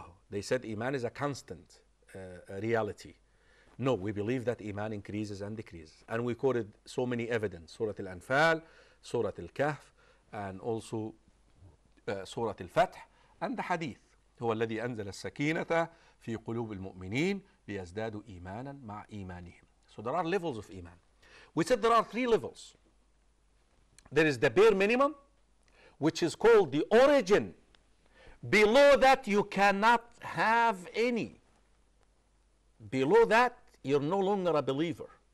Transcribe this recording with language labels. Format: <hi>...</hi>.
<en>They said iman is a constant reality. No, we believe that iman increases and decreases. And we quoted so many evidence, Surah Al-Anfal, Surah Al-Kahf, and also Surah Al-Fath, and the Hadith.</en> <ar>هو الذي أنزل السكينة في قلوب المؤمنين ليزدادوا إيمانا مع إيمانهم.</ar> <en>So there are levels of iman. We said there are three levels. There is the bare minimum, which is called the origin. Below that, you cannot have any. Below that, you're no longer a believer.</en>